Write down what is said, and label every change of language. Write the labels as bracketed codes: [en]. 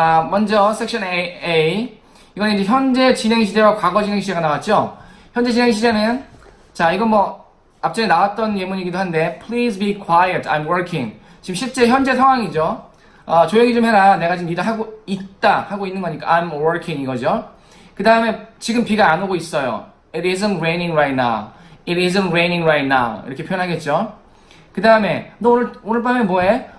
[ko] 먼저 섹션 A, 이건 이제 현재 진행 시제와 과거 진행 시제가 나왔죠. 현재 진행 시제는, 자, 이건 뭐 앞전에 나왔던 예문이기도 한데, [en] Please be quiet, I'm working. [ko] 지금 실제 현재 상황이죠. 조용히 좀 해라. 내가 지금 일을 하고 있다 하고 있는 거니까 [en] I'm working [ko] 이거죠. 그 다음에 지금 비가 안 오고 있어요. [en] It isn't raining right now. It isn't raining right now. [ko] 이렇게 표현하겠죠. 그 다음에 너 오늘 밤에 뭐해?